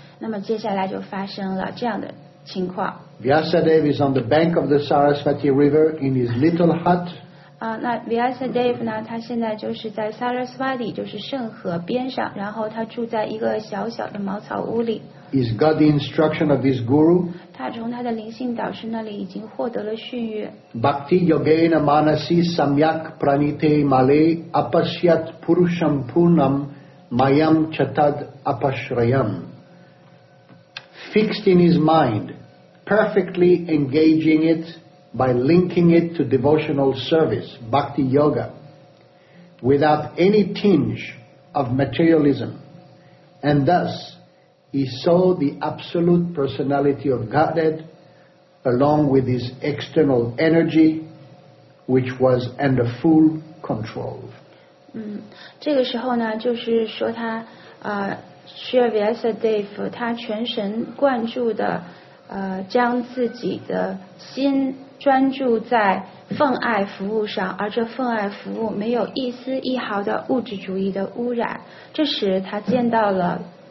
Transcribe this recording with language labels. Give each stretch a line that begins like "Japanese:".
Chinese: 那么接下来就发生了这样的情况。
English: Vyasadeva is on the bank of the Saraswati River in his little hut.
Chinese: 那 Vyasadeva 呢，他现在就是在 Saraswati， 就是圣河边上，然后他住在一个小小的茅草屋里。
English: He's got the instruction of his guru.
Chinese: 他从他的灵性导师那里已经获得了训谕。
Sanskrit: Bhakti yogena manasi samyak pranite male apasyat purusham punam mayam chatad apashrayam.
English: Fixed in his mind, perfectly engaging it by linking it to devotional service, bhakti yoga, without any tinge of materialism, and thus. He saw the absolute personality of Godhead along with his external energy, which was under full control.
Chinese: 这个时候呢，就是说他Shri Vyasadeva 他全神贯注的将自己的心专注在份爱服务上，而这份爱服务没有一丝一毫的物质主义的污染，这使他见到了